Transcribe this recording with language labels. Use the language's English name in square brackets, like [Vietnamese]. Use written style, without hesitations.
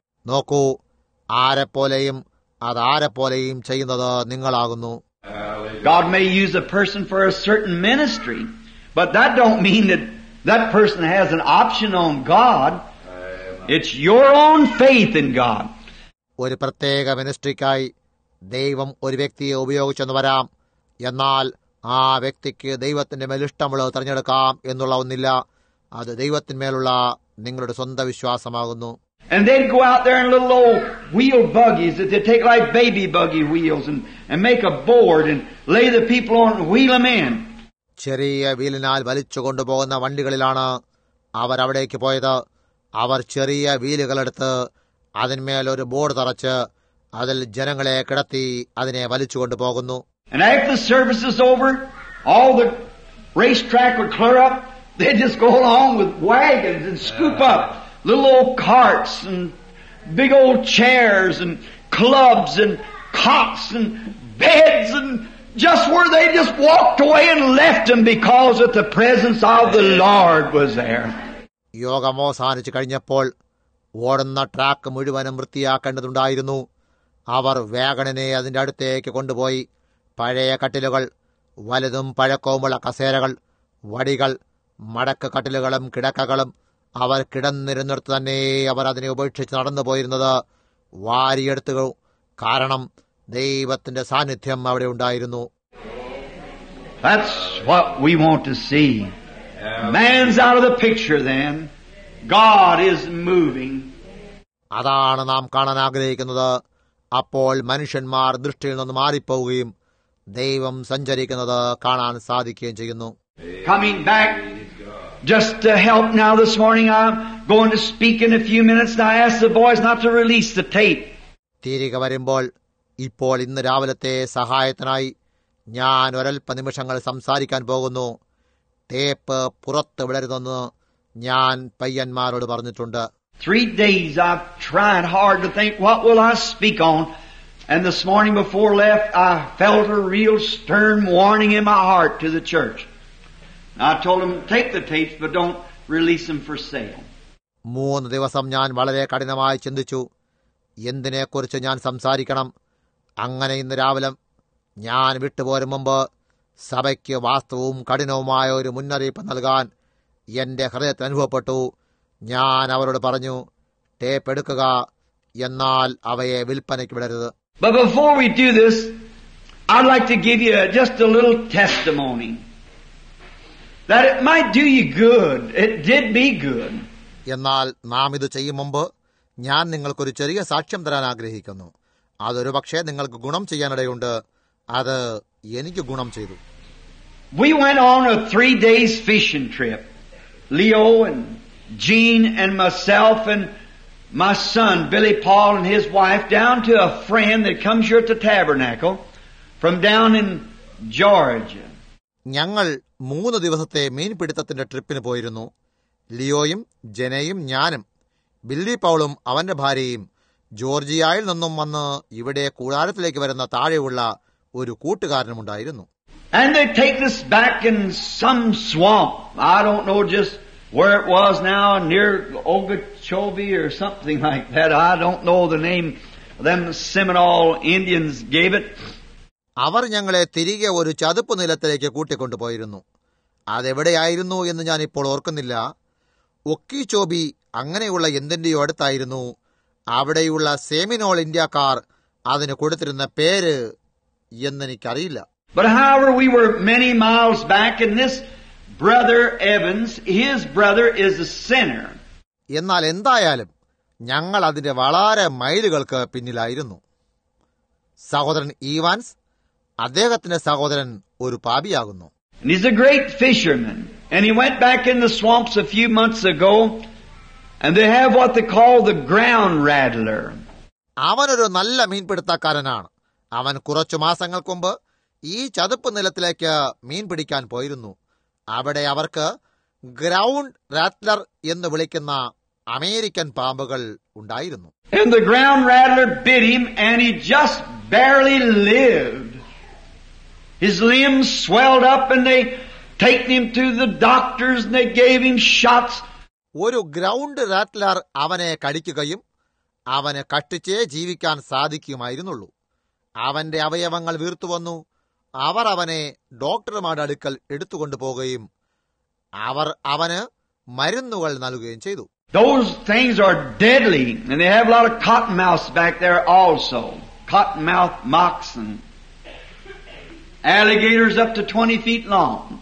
[Malayalam] നോക്കൂ, ആരെപ്പോലെയും അതാരെപ്പോലെയും ചെയ്യുന്നത് നിങ്ങളാകുന്നു. [English] God may use a person for a certain ministry. But that don't mean that that person has an option on God. It's your own faith in God. [Malayalam] ഒരു പ്രത്യേക മിനിസ്ട്രിക്കായി ദൈവം ഒരു വ്യക്തിയെ ഉപയോഗിച്ചെന്ന് വരാം. എന്നാൽ ആ വ്യക്തിക്ക് ദൈവത്തിന്റെ മേലിഷ്ടമുള്ളത് തിരഞ്ഞെടുക്കാം എന്നുള്ള ഒന്നില്ല. അത് ദൈവത്തിന്മേലുള്ള നിങ്ങളുടെ സ്വന്തം വിശ്വാസമാകുന്നു. [English] And they'd go out there in little old wheel buggies that they'd take like baby buggy wheels and make a board and lay the people on and wheel them in. [Malayalam] ചെറിയ വീലിനാൽ വലിച്ചുകൊണ്ടുപോകുന്ന വണ്ടികളിലാണ് അവർ അവിടേക്ക് പോയത്. അവർ ചെറിയ വീലുകളെടുത്ത് അതിന്മേൽ ഒരു ബോർഡ് തറച്ച് അതിൽ ജനങ്ങളെ കിടത്തി അതിനെ വലിച്ചുകൊണ്ടു പോകുന്നു. [English] And after the service is over, all the race track would clear up. They'd just go along with wagons and scoop up little old carts and big old chairs and clubs and cots and beds and just where they just walked away and left them because of the presence of the Lord was there. [Malayalam] യോഗം അവസാനിച്ച് കഴിഞ്ഞപ്പോൾ ഓടുന്ന track മുഴുവനും വൃത്തിയാക്കേണ്ടതുണ്ടായിരുന്നു. അവർ വാഗണിനെ അതിന്റെ അടുത്തേക്ക് കൊണ്ടുപോയി. പഴയ കട്ടിലുകൾ, വലുതും പഴക്കവുമുള്ള കസേരകൾ, വടികൾ, മടക്ക് കട്ടിലുകളും കിടക്കകളും അവർ കിടന്നിരുന്നിടത്ത് തന്നെ അവർ അതിനെ ഉപേക്ഷിച്ച് നടന്നുപോയിരുന്നത് വാരിയെടുത്തു. കാരണം ദൈവത്തിന്റെ സാന്നിധ്യം അവിടെ ഉണ്ടായിരുന്നു. [English] That's what we want to see. Man's out of the picture then. God is moving. [Malayalam] അതാണ് നാം കാണാൻ ആഗ്രഹിക്കുന്നത്. അപ്പോൾ മനുഷ്യന്മാർ ദൃഷ്ടിയിൽ നിന്ന് മാറിപ്പോവുകയും ദൈവം സഞ്ചരിക്കുന്നത് കാണാൻ സാധിക്കുകയും ചെയ്യുന്നു. [English] Coming back just to help now this morning, I'm going to speak in a few minutes and I ask the boys not to release the tape. [Malayalam] തിരികെ വരുമ്പോൾ ഇപ്പോൾ ഇന്ന് രാവിലത്തെ സഹായത്തിനായി ഞാൻ ഒരൽപ്പ നിമിഷങ്ങൾ സംസാരിക്കാൻ പോകുന്നു. ടേപ്പ് പുറത്ത് വിടരുതെന്ന് ഞാൻ പയ്യന്മാരോട് പറഞ്ഞിട്ടുണ്ട്. [English] 3 days I've tried hard to think what will I speak on, and this morning before left I felt a real stern warning in my heart to the church. I told them take the tapes but don't release them for sale. [Malayalam] 3 ദിവസം ഞാൻ വളരെ കഠിനമായി ചിന്തിച്ചു എന്തിനെക്കുറിച്ച് ഞാൻ സംസാരിക്കണം. അങ്ങനെ ഇന്ന് രാവിലെ ഞാൻ വിട്ടുപോരും മുമ്പ് സഭയ്ക്ക് വാസ്തവവും കഠിനവുമായ ഒരു മുന്നറിയിപ്പ് നൽകാൻ എന്റെ ഹൃദയത്തിന് അനുഭവപ്പെട്ടു. ഞാൻ അവരോട് പറഞ്ഞു, ടേപ്പ് എടുക്കുക, എന്നാൽ അവയെ വിൽപ്പനയ്ക്ക് വിടരുത്. [English] But before we do this, I'd like to give you just a little testimony that it might do you good. It did me good. [Malayalam] എന്നാൽ നാം ഇത് ചെയ്യും മുമ്പ് ഞാൻ നിങ്ങൾക്കൊരു ചെറിയ സാക്ഷ്യം തരാൻ ആഗ്രഹിക്കുന്നു. അതൊരു പക്ഷേ നിങ്ങൾക്ക് ഗുണം ചെയ്യാനിടയുണ്ട്. അത് എനിക്ക് ഗുണം ചെയ്തു. [English] We went on a 3 days fishing trip. Leo and Gene and myself and my son Billy Paul and his wife down to a friend that comes here at the tabernacle from down in Georgia. [Malayalam] ഞങ്ങൾ 3 ദിവസത്തെ മീൻപിടുത്തത്തിന്റെ ട്രിപ്പിന് പോയിരുന്നു. ലിയോയും ജെനയും ഞാനും Billy പൌളും അവന്റെ ഭാര്യയും ജോർജിയയിൽ നിന്നും വന്ന് ഇവിടെ കൂടാരത്തിലേക്ക് വരുന്ന താഴെയുള്ള ഒരു കൂട്ടുകാരനുമുണ്ടായിരുന്നു. [English] And they take us back in some swamp. I don't know just where it was now, near Okeechobee or something like that. I don't know the name them Seminole Indians gave it. [Malayalam] അവർ ഞങ്ങളെ തിരികെ ഒരു ചതുപ്പ് നിലത്തിലേക്ക് കൂട്ടിക്കൊണ്ടുപോയിരുന്നു. അതെവിടെയായിരുന്നു എന്ന് ഞാൻ ഇപ്പോൾ ഓർക്കുന്നില്ല. ഒക്കീചോബി അങ്ങനെയുള്ള എന്തിന്റെയോ അടുത്തായിരുന്നു. അവിടെയുള്ള സെമിനോൾ ഇന്ത്യക്കാർ അതിന് കൊടുത്തിരുന്ന പേര് എന്നെനിക്കറിയില്ല. [English] But however, we were many miles back in this brother Evans, his brother is a sinner. [Malayalam] എന്നാൽ എന്തായാലും ഞങ്ങൾ അതിന്റെ വളരെ മൈലുകൾക്ക് പിന്നിലായിരുന്നു. സഹോദരൻ ഈവാൻസ്, അദ്ദേഹത്തിന്റെ സഹോദരൻ ഒരു പാപിയാകുന്നു. [English] He's a great fisherman and he went back in the swamps a few months ago and they have what they call the ground rattler. [Malayalam] അവൻ ഒരു നല്ല മീൻപിടുത്തക്കാരനാണ്. അവൻ കുറച്ചു മാസങ്ങൾക്ക് മുമ്പ് ഈ ചതുപ്പ് നിലത്തിലേക്ക് മീൻ പിടിക്കാൻ പോയിരുന്നു. അവിടെ അവർക്ക് ഗ്രൗണ്ട് റാറ്റ്ലർ എന്ന് വിളിക്കുന്ന അമേരിക്കൻ പാമ്പുകൾ ഉണ്ടായിരുന്നു. [English] And the ground rattler bit him and he just barely lived. His limbs swelled up and they taken him to the doctors and they gave him shots. [Malayalam] ഒരു ഗ്രൗണ്ട് റാറ്റ്ലർ അവനെ കടിക്കുകയും അവനെ കട്ടിച്ചേ ജീവിക്കാൻ സാധിക്കുമായിരുന്നുള്ളൂ. അവന്റെ അവയവങ്ങൾ വീർത്തുവന്നു. അവർ അവനെ ഡോക്ടർമാരുടെ അടുക്കൽ എടുത്തുകൊണ്ടു പോകുകയും അവർ അവന് മരുന്നുകൾ നൽകുകയും ചെയ്തു. [English] Those things are deadly and they have a lot of cotton mouth back there also. Cotton mouth moccasin. Alligators up to 20 feet long.